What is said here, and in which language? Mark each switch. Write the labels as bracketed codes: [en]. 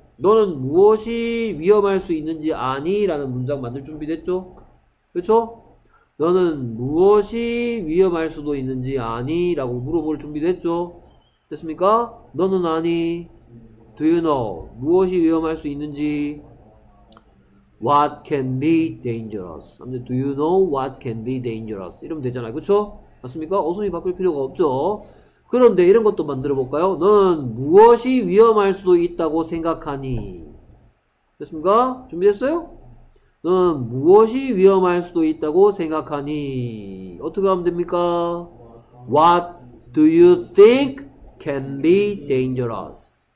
[ko] 너는 무엇이 위험할 수 있는지 아니? 라는 문장 만들 준비 됐죠? 그쵸? 너는 무엇이 위험할 수도 있는지 아니? 라고 물어볼 준비 됐죠? 됐습니까? 너는 아니? [en] Do you know? [ko] 무엇이 위험할 수 있는지? [en] What can be dangerous? [ko] 아무튼 [en] do you know what can be dangerous? [ko] 이러면 되잖아요. 그쵸? 맞습니까? 어순이 바꿀 필요가 없죠? 그런데 이런 것도 만들어 볼까요? 너는 무엇이 위험할 수도 있다고 생각하니? 됐습니까? 준비됐어요? 너는 무엇이 위험할 수도 있다고 생각하니? 어떻게 하면 됩니까? [en] What do you think can be dangerous?